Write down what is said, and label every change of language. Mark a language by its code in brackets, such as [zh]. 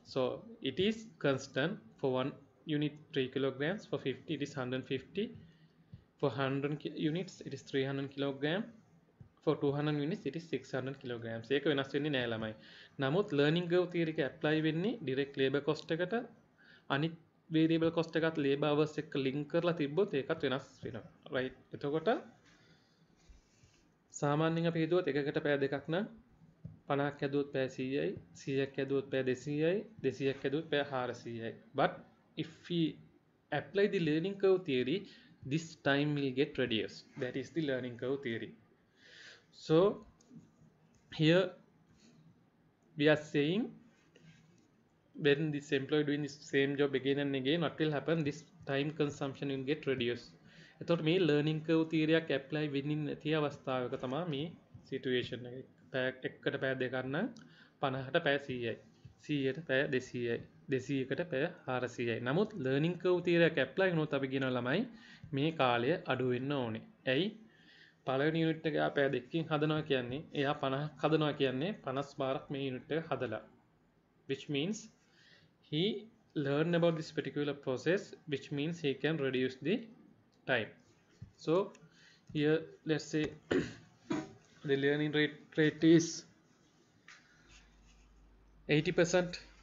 [en] So it is constant for 1 unit 3 kilograms, for 50 it is 150, for 100 units it is 300 kilogram, for 200 units it is 600 kilograms. [si] ඒක වෙනස් වෙන්නේ නෑ ළමයි. නමුත් learning curve theory එක apply වෙන්නේ direct labor cost එකට, අනිත් variable cost එකත් labor hours එක link කරලා තිබ්බොත් ඒකත් වෙනස් වෙනවා. [en] Right. [si] එතකොට සාමාන්‍යයෙන් අපි හිතුවොත් එකකට පැය දෙකක් නම් 50ක් ඇදුවොත් පැය 100යි, 100ක් ඇදුවොත් පැය 200යි, 200ක් ඇදුවොත් පැය 400යි. [en] But if we apply the learning curve theory, this time will get reduced. That is the learning curve theory. So here we are saying when this employee doing this same job again and again, what will happen? This time consumption will get reduced. [si] එතකොට මේ learning curve theory එක apply වෙන්නේ නැති අවස්ථාවක තමයි මේ situation එක. එකකට පැය දෙකක් නම් 50ට පැය 100යි. 100ට පැය 200යි. 200කට පැය 400යි. නමුත් learning curve theory එක apply වුණොත් අපි කියන ළමයි මේ කාලය අඩු වෙන්න ඕනේ. ඇයි? පළවෙනි unit එක යා පැය දෙකකින් හදනවා කියන්නේ එයා 50ක් හදනවා කියන්නේ 50 බාරක් මේ unit එක හදලා. [en] Which means he learned about this particular process, which means he can reduce the time. So here let's say the learning rate is 80%.